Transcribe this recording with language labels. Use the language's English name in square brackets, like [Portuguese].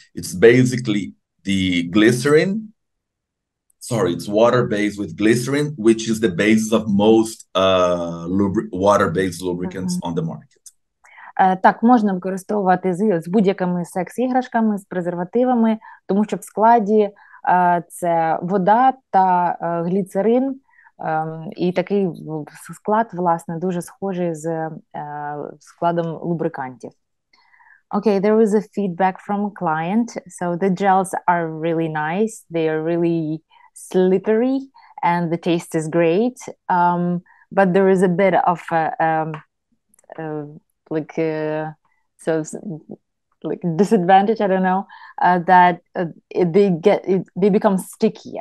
[English] It's basically it's water-based with glycerin, which is the basis of most water-based lubricants on the market. [Ukrainian] Так, можна використовувати з будь-якими секс-іграшками, з презервативами, тому що в складі це вода та гліцерин, і такий склад, власне, дуже схожий з складом лубрикантів. [English] Okay, there was a feedback from a client. So the gels are really nice. They are really slippery and the taste is great. But there is a bit of disadvantage, I don't know, they become sticky.